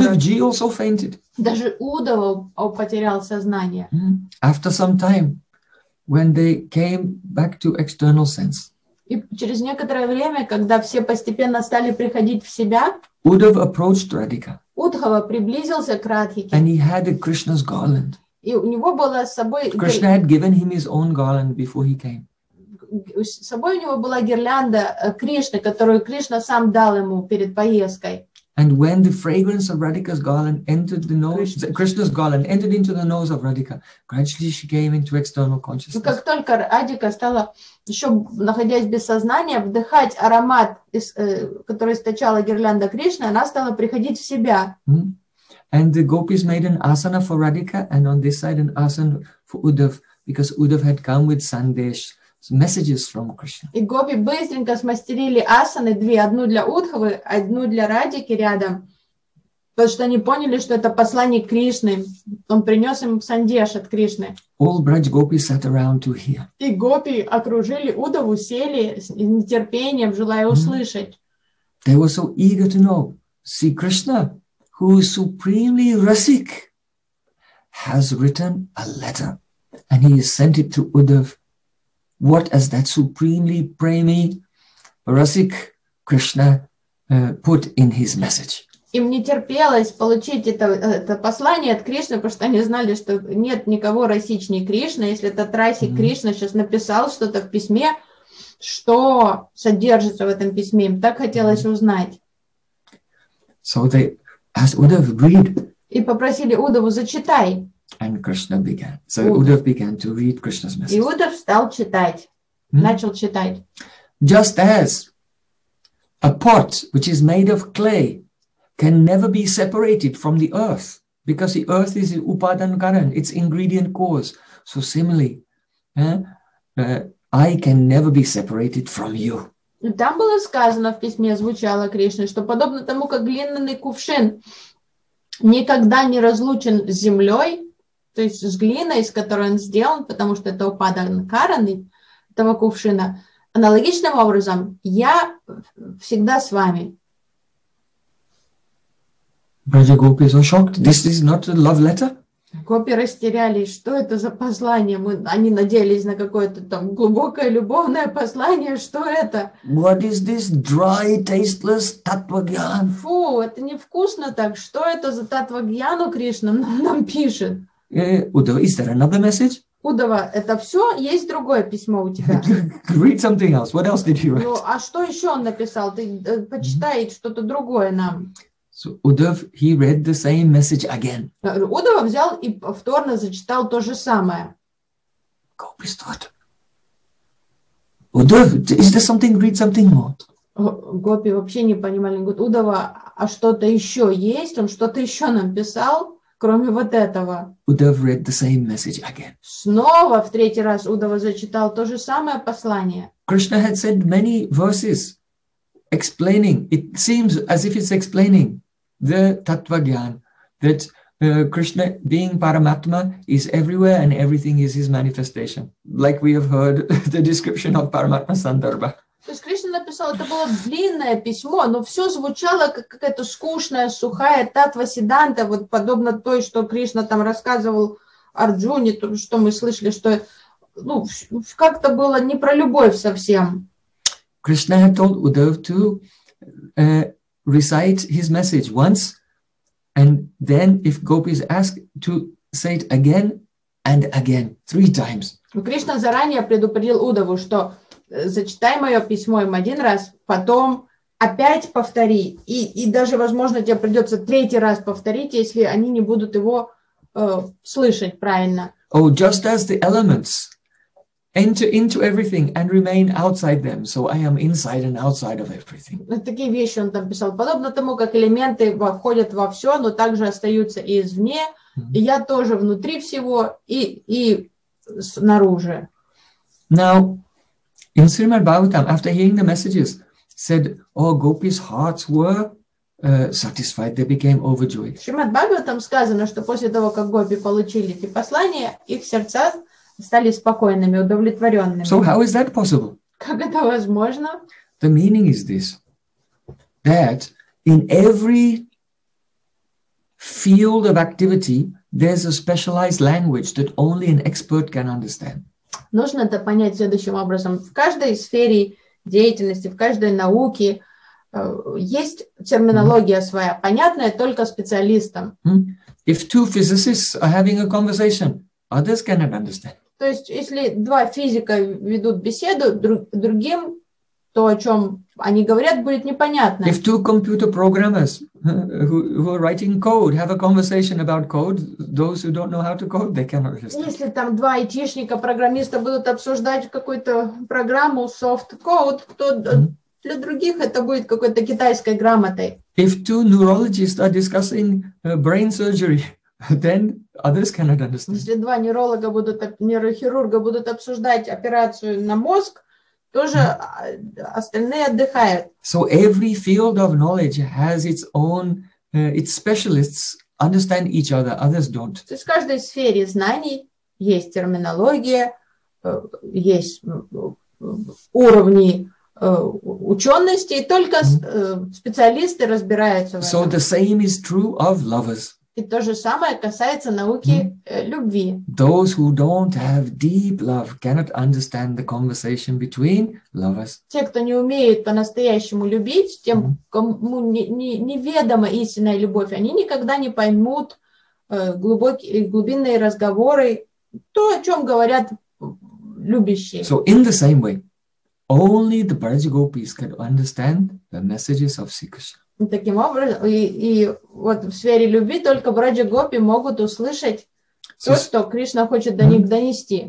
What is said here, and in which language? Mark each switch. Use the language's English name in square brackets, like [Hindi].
[English] Удавджи also fainted. [Russian] Даже Удава потерял сознание. [English] After some time, when they came back to external sense. [Russian] И через некоторое время, когда все постепенно стали приходить в себя, [English] Удав approached Радика. [Russian] Удхава приблизился к Радхике. [English] And he had a Krishna's garland. [Russian] И у него была с собой... [English] Krishna had given him his own garland before he came. [Russian] С собой у него была гирлянда Кришны, которую Кришна сам дал ему перед поездкой. [English] And when the fragrance of Radhika's garland entered the nose, Krishna's garland entered into the nose of Radhika, gradually she came into external consciousness. [Russian] Как только Радика стала, еще находясь без сознания, вдыхать аромат, который источала гирлянда Кришны, она стала приходить в себя. [English] And the gopis made an asana for Radhika, and on this side an asana for Uddhav, because Uddhav had come with sandesh. Messages from Krishna. [Russian] И гопи быстренько смастерили асаны две, одну для Удхавы, одну для Радики рядом, потому что они поняли, что это послание Кришны. Он принес им сандеш от Кришны. [English] All Braj gopis sat around to hear. [Russian] И гопи окружили Удхаву, сели с нетерпением, желая услышать. [English] They were so eager to know. See, Krishna, who is supremely rasik, has written a letter, and he has sent it to Uddhav. What has that supremely premi rasik Krishna put in his message? [Russian] Им не терпелось получить это послание от Кришны, потому что они знали, что нет никого расичнее Кришны. Если этот расик Кришна сейчас написал что-то в письме, что содержится в этом письме. Им так хотелось узнать. [English] So they asked Uddhava, read. [Russian] И попросили Удаву, зачитай. [English] And Krishna began. So Uddhava began to read Krishna's message. [Russian] И Удав стал читать. Hmm? Начал читать. [English] Just as a pot which is made of clay can never be separated from the earth, because the earth is the upadan karan, its ingredient cause. So similarly, I can never be separated from you. [Russian] Там было сказано в письме, звучало Кришна, что подобно тому, как глиняный кувшин никогда не разлучен с землей, то есть с глиной, из которой он сделан, потому что это упадан каран этого кувшина, аналогичным образом, я всегда с вами. [English] Braja Gopis are shocked. This is not a love letter. [Russian] Гопи растерялись. Что это за послание? Они надеялись на какое-то там глубокое любовное послание. Что это? [English] What is this dry, tasteless tattva-gyan? [Russian] Фу, это невкусно так. Что это за tattva-gyanu Кришна нам пишет? [English] Удава, is there another message? [Russian] Удава, это все? Есть другое письмо у тебя? [English] Read something else. What else did he write? [Russian] Ну, а что еще он написал? Ты почитай что-то другое нам. [English] So Uddhav, he read the same message again. [Russian] Uddhav взял и повторно зачитал то же самое. [English] Gopis thought, Uddhav, is there something, read something more? [Russian] Gopi вообще не понимали. Говорит, Uddhav, а что-то еще есть? Он что-то еще нам писал, кроме вот этого? [English] Uddhav read the same message again. [Russian] Снова в третий раз Uddhav зачитал то же самое послание. [English] Krishna had said many verses. Explaining, it seems as if it's explaining the tattva gyan, that Krishna being Paramatma is everywhere and everything is his manifestation. Like we have heard the description of Paramatma Sandarbha. [Russian] То есть Кришна написал, это было длинное письмо, но все звучало как какая-то скучная, сухая таттва сиданта, вот подобно той, что Кришна там рассказывал Арджуне, то, что мы слышали, что ну, как-то было не про любовь совсем. [English] Krishna had told Uddhava to recite his message once, and then if gopis ask, to say it again and again, three times. [Russian] Krishna заранее предупредил Удаву, что зачитай мое письмо им один раз, потом опять повтори, и даже, возможно, тебе придется третий раз повторить, если они не будут его слышать правильно. [English] Oh, just as the elements enter into everything and remain outside them. So I am inside and outside of everything. [Russian] Такие вещи он там писал. Подобно тому, как элементы входят во все, но также остаются и извне. И я тоже внутри всего и снаружи. [English] Now, in Srimad Bhagavatam, after hearing the messages, said, oh, gopis' hearts were satisfied. They became overjoyed. [Russian] В Srimad Bhagavatam сказано, что после того, как гопи получили эти послания, их сердца стали спокойными, удовлетворенными. [English] So how is that possible? [Russian] Как это возможно? [English] The meaning is this, that in every field of activity, there's a specialized language that only an expert can understand. [Russian] Нужно это понять следующим образом. В каждой сфере деятельности, в каждой науке есть терминология своя, понятная только специалистам. [English] If two physicists are having a conversation, others cannot understand. [Russian] То есть, если два физика ведут беседу другим, то, о чем они говорят, будет непонятно. [English] If two computer programmers who are writing code have a conversation about code, those who don't know how to code, they cannot understand. [Russian] Если там два айтишника-программиста будут обсуждать какую-то программу, [English] soft code, [Russian] то для других это будет какой-то китайской грамотой. [English] If two neurologists are discussing brain surgery, then others cannot understand. [Russian] Если два нейролога будут, нейрохирурга будут обсуждать операцию на мозг, тоже остальные отдыхают. [English] So every field of knowledge has its own, its specialists understand each other, others don't. [Russian] То есть в каждой сфере знаний есть терминология, есть уровни учености, и только специалисты разбираются в этом. [English] So the same is true of lovers. [Russian] И то же самое касается науки любви. [English] Those who don't have deep love cannot understand the conversation between lovers. [Russian] Те, кто не умеют по-настоящему любить, тем, кому неведома истинная любовь, они никогда не поймут глубинные разговоры, то, о чем говорят любящие. [English] So in the same way, Only the Braja Gopis could understand the messages of Sri Krishna. [Russian] Таким образом, и вот в сфере любви только Браджа Гопи могут услышать то, что Кришна хочет до них донести.